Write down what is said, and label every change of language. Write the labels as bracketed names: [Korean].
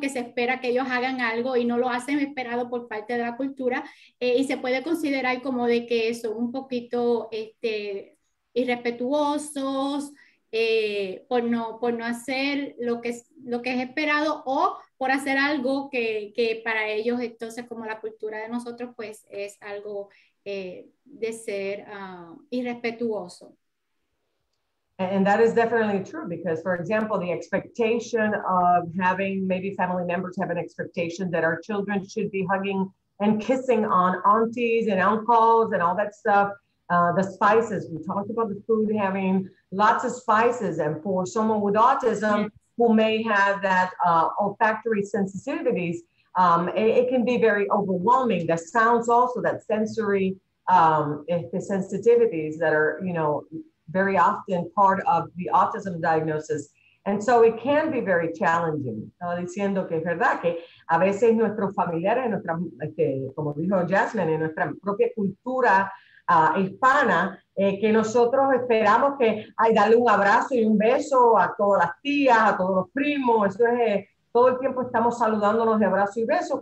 [Spanish] Que se espera que ellos hagan algo y no lo hacen esperado por parte de la cultura, y se puede considerar como de que son un poquito irrespetuosos por no hacer lo que es esperado o por hacer algo que para ellos, entonces, como la cultura de nosotros, pues es algo de ser irrespetuoso. [English] And that is definitely true because, for example, the expectation of having maybe family members have an expectation that our children should be hugging and kissing on aunties and uncles and all that stuff. The spices, we talked about the food having lots of spices. And for someone with autism who may have that olfactory sensitivities, it can be very overwhelming. The sounds also, that sensory the sensitivities that are, you know, very often part of the autism diagnosis. And so it can be very challenging. [Spanish] Estaba diciendo que es verdad que a veces nuestros familiares, como dijo Jasmine, en nuestra propia cultura hispana, que nosotros esperamos que ay, darle un abrazo y un beso a todas las tías, a todos los primos, eso es, todo el tiempo estamos saludándonos de abrazo y beso.